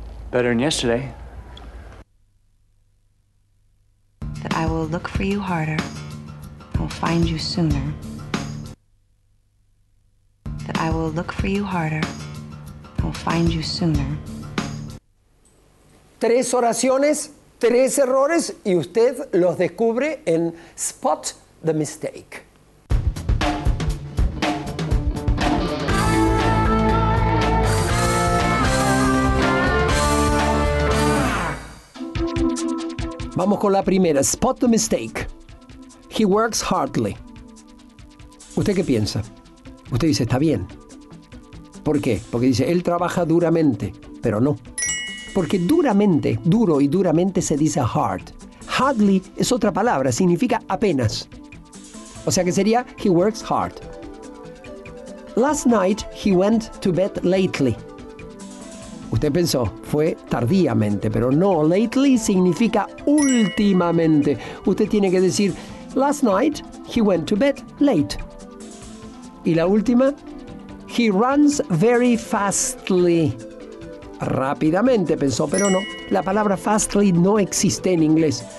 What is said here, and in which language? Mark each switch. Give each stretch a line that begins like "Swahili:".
English: Better than yesterday. That I will look for you harder. I will find you sooner. I will look for you harder. I will find you sooner.
Spanish: Tres oraciones, tres errores, y usted los descubre en Spot the Mistake. Vamos con la primera, Spot the Mistake.
English: He works hardly.
Spanish: ¿Usted qué piensa? Usted dice, está bien. ¿Por qué? Porque dice, él trabaja duramente, pero no. Porque duramente, duro y duramente se dice hard. Hardly es otra palabra, significa apenas. O sea que sería,
English: he works hard. Last night he went to bed lately.
Spanish: Usted pensó, fue tardíamente, pero no. Lately significa últimamente. Usted tiene que decir,
English: last night he went to bed late.
Spanish: Y la última,
English: he runs very fastly.
Spanish: Rápidamente, pensó, pero no. La palabra fastly no existe en inglés.